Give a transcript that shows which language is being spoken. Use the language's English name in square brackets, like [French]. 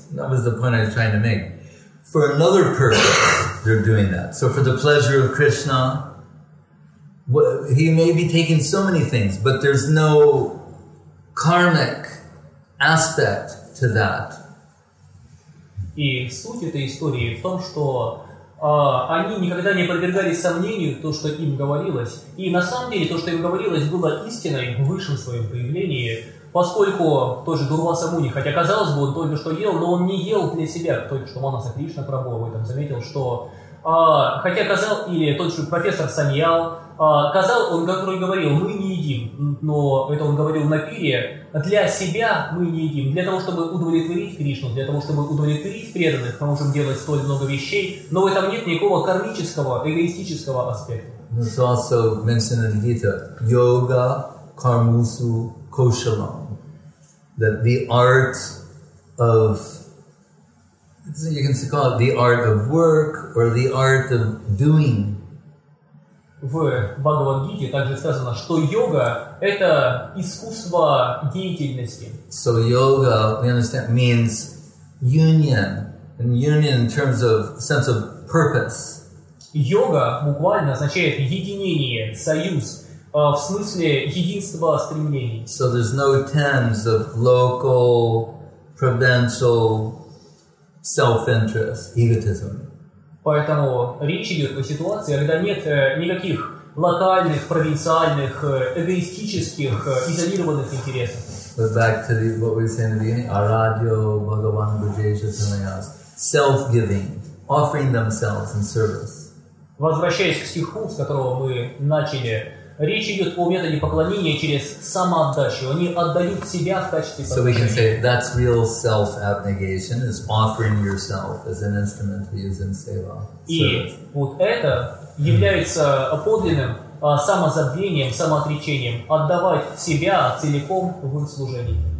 [English] That was the point I was trying to make. For another purpose, they're doing that. So for the pleasure of Krishna, he may be taking so many things, but there's no karmic aspect to that. [Russian] И суть этой истории в том, что они никогда не подвергались сомнению то, что им говорилось. И на самом деле то, что им говорилось, было истиной в высшем своем проявлении, поскольку тот же Дурваса Муни, хотя казалось бы, он только что ел, но он не ел для себя, только что Манаса Кришна Прабху в этом заметил, что хотя казал, или тот же профессор Саньял, казал он, который говорил, мы не едим, но это он говорил на пире, для себя мы не едим, для того, чтобы удовлетворить Кришну, для того, чтобы удовлетворить преданных, мы можем делать столь много вещей, но в этом нет никакого кармического, эгоистического аспекта. [English] It's also mentioned in Gita, yoga, karmusu, koshalam, that the art of, you can call it the art of work or the art of doing. [Russian] В Бхагавад-гите также сказано, что йога – это искусство деятельности. [English] So yoga, we understand, means union, and union in terms of sense of purpose. [Russian] Йога буквально означает единение, союз, в смысле единства стремлений. [English] So there's no terms of local, provincial self-interest, egotism. [Russian] Поэтому речь идет о ситуации, когда нет никаких локальных, провинциальных, эгоистических, изолированных интересов. [English] But back to the, what we were saying in the beginning, Aradhyo Bhagavan Bhujesha Sanayas, self-giving, offering themselves in service. [Russian] Возвращаясь к стиху, с которого мы начали, речь идет о методе поклонения через самоотдачу. Они отдают себя в качестве поклонения. [English] So we can say that's real self-abnegation, is offering yourself as an instrument to use in seva. [Russian] И вот это является подлинным самозабвением, самоотречением, отдавать себя целиком в служении.